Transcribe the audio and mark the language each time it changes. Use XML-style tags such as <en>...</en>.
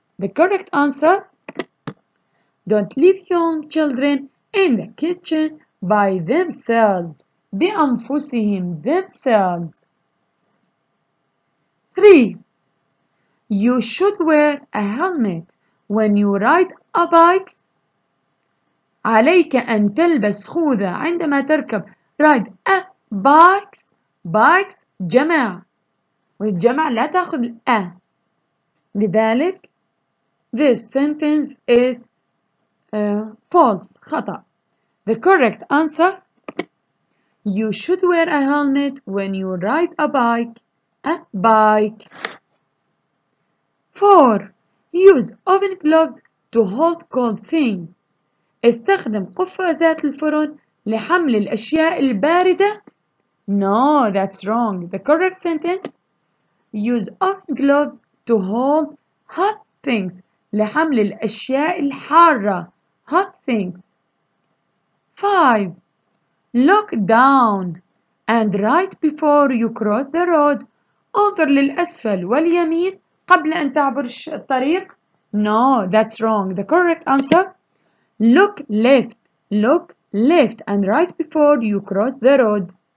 <en>The correct answer, don't leave young children in the kitchen by themselves.</en> <ar>بأنفسهم themselves.</ar> <en>3. You should wear a helmet when you ride a bike.</en> <ar>عليك أن تلبس خوذة عندما تركب</ar> <en>ride a bikes.</en> <ar>Bikes جمع والجمع لا تأخذ a. لذلك</ar> <en>this sentence is false.</en> <ar>خطأ.</ar> <en>The correct answer, you should wear a helmet when you ride a bike. A bike. 4. Use oven gloves to hold cold things.</en> <ar>استخدم قفازات الفرن لحمل الأشياء الباردة.</ar> <en>No, that's wrong. The correct sentence, use oven gloves to hold hot things.</en> <ar>لحمل الأشياء الحارة.</ar> <en>Hot things.</en> <ar>5.</ar> <en>Look down and right before you cross the road.</en> <ar>انظر للأسفل واليمين قبل أن تعبر الطريق.</ar> <en>No, that's wrong. The correct answer, look left and right before you cross the road.</en>